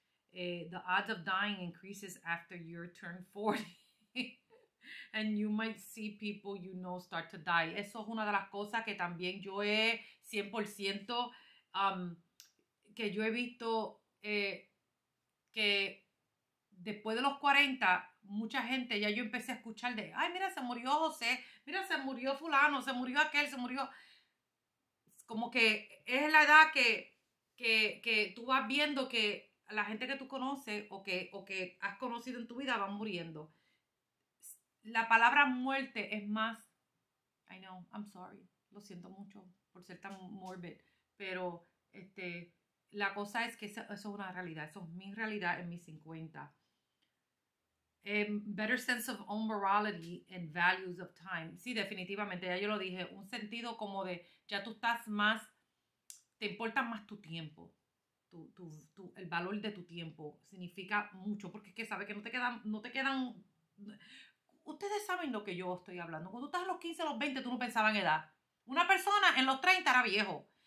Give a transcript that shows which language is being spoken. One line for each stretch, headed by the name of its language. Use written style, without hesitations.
English: The odds of dying increases after your turn 40. And you might see people you know start to die.
Spanish: Eso es una de las cosas que también yo he 100% que yo he visto que después de los 40, mucha gente, ya yo empecé a escuchar de, ay, mira, se murió José, mira, se murió fulano, se murió aquel, se murió. Como que es la edad que tú vas viendo que la gente que tú conoces o que has conocido en tu vida van muriendo. La palabra muerte es más,
English: I know, I'm sorry,
Spanish: lo siento mucho por ser tan
English: morbid,
Spanish: pero la cosa es que eso es una realidad, eso es mi realidad en mis 50.
English: Better sense of own morality and values of time.
Spanish: Sí, definitivamente, ya yo lo dije, un sentido como de, ya tú estás más, te importa más tu tiempo, el valor de tu tiempo significa mucho, porque es que sabes que no te quedan, ustedes saben lo que yo estoy hablando. Cuando tú estás a los 15, a los 20, tú no pensabas en edad. Una persona en los 30 era viejo.